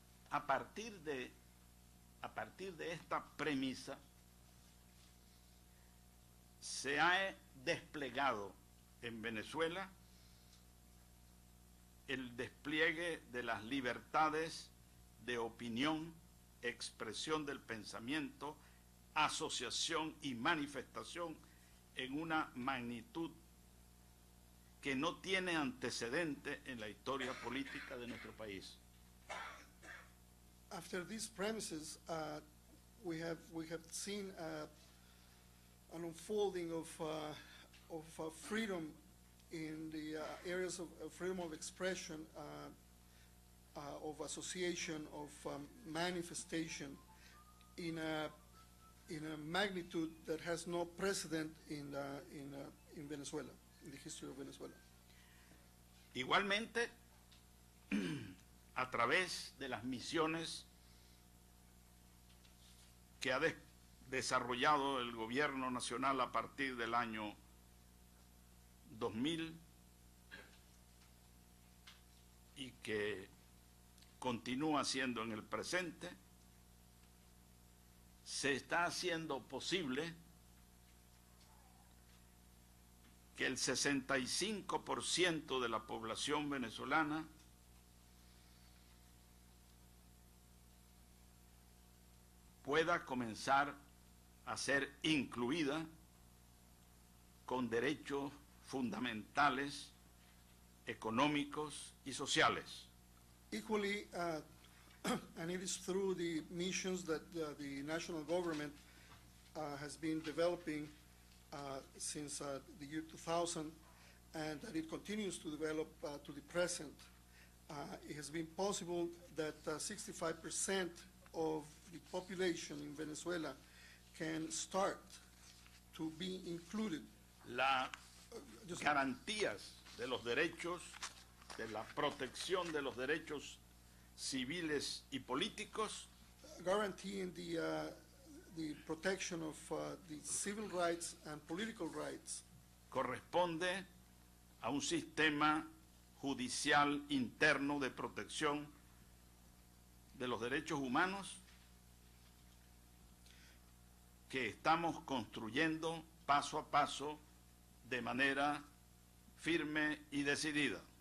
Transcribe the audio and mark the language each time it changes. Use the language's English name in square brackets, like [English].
[Spanish] a partir de esta premisa se ha desplegado en Venezuela el despliegue de las libertades de opinión, expresión del pensamiento, asociación y manifestación en una magnitud que no tiene antecedente en la historia política de nuestro país. [English] After these premises, we have seen an unfolding of freedom in the areas of freedom of expression, of association, of manifestation in a magnitude that has no precedent in Venezuela, in the history of Venezuela. [Spanish] Igualmente, a través de las misiones que ha desarrollado el gobierno nacional a partir del año 2000 y que continúa siendo en el presente, se está haciendo posible que el 65% de la población venezolana pueda comenzar a ser incluida con derechos fundamentales, económicos y sociales. [English] Equally, and it is through the missions that the national government has been developing since the year 2000, and that it continues to develop to the present, it has been possible that 65% of the population in Venezuela can start to be included. [Spanish] La garantías de los derechos, de la protección de los derechos civiles y políticos. [English] Guaranteeing the protection of the civil rights and political rights. [Spanish] Corresponde a un sistema judicial interno de protección de los derechos humanos que estamos construyendo paso a paso de manera firme y decidida.